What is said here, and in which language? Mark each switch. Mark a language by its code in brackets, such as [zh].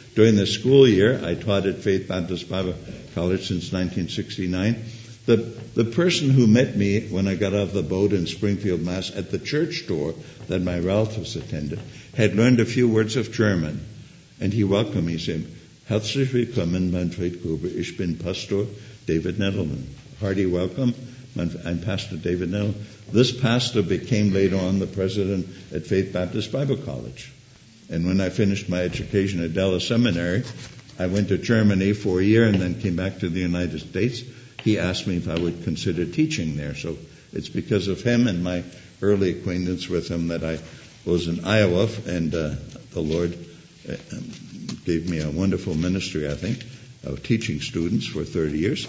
[en] During the school year, I taught at Faith Baptist Bible College since 1969. The person who met me when I got off the boat in Springfield, Mass, at the church door that my relatives attended, had learned a few words of German, and he welcomed me. [de] He said, "Herzlich willkommen, Manfred Gruber. Ich bin Pastor David Nettleman." [en] Hearty welcome. I'm Pastor David Nettleman. This pastor became later on the president at Faith Baptist Bible College. And when I finished my education at Dallas Seminary, I went to Germany for a year and then came back to the United States. He asked me if I would consider teaching there. So it's because of him and my early acquaintance with him that I was in Iowa, and the Lord gave me a wonderful ministry, I think, of teaching students for 30 years.